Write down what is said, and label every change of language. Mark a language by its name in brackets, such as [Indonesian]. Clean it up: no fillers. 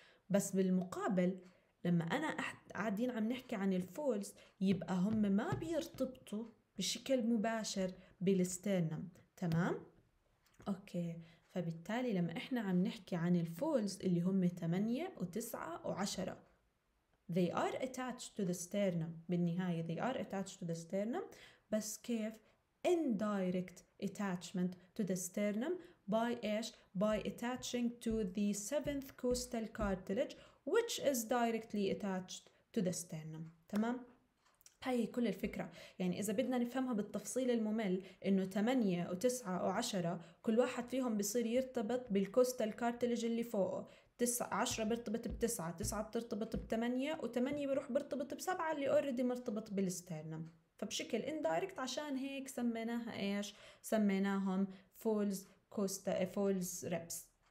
[Arabic] بس بالمقابل لما انا قاعدين عم نحكي عن الفولز، يبقى هم ما بيرتبطوا بشكل مباشر بالسترنم، تمام؟ اوكي، فبالتالي لما احنا عم نحكي عن الفولز اللي هم 8 و9 و10، [English] they are attached to the sternum. [Arabic] بالنهاية [English] they are attached to the sternum، [Arabic] بس كيف؟ [English] indirect attachment to the sternum by ايش؟ by attaching to the 7th costal cartilage which is directly attached to the sternum، [Arabic] تمام؟ هاي كل الفكرة. يعني إذا بدنا نفهمها بالتفصيل الممل، إنه 8 و9 و10 كل واحد فيهم بيصير يرتبط بالكوستال كارتلج اللي فوقه. 9 10 بيرتبط ب9، 9 بترتبط ب8، و8 بيروح بيرتبط ب7 اللي اوريدي مرتبط بالسترنم. فبشكل اندايركت عشان هيك سميناها ايش؟ سميناهم فولز كوستا فولز ريبس.